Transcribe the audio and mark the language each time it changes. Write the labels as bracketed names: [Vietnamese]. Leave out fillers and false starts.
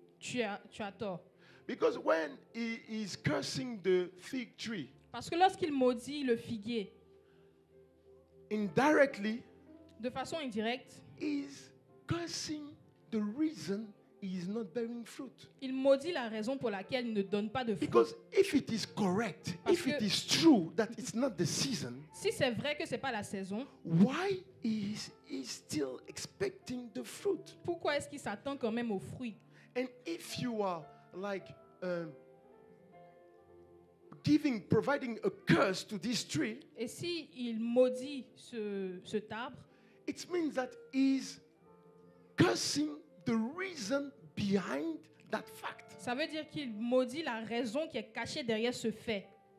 [French] Tu as tort. [English] Because when he is cursing the fig tree, [French] parce que lorsqu'il maudit le figuier, [English] indirectly, [French] de façon indirecte, [English] he's cursing the reason he is not bearing fruit. [French] Il maudit la raison pour laquelle il ne donne pas de fruit. [English] Because if it is correct, [French] parce [English] if it is true that it's not the season, [French] si c'est vrai que c'est pas la saison, [English] why is he still expecting the fruit? [French] Pourquoi est-ce qu'il s'attend quand même aux fruits? [English] And if you are like giving, providing a curse to this tree, [French] et si il maudit ce arbre, [English] it means that he's cursing the reason behind that fact. [French] Ça veut dire qu'il maudit la raison qui est cachée derrière ce fait.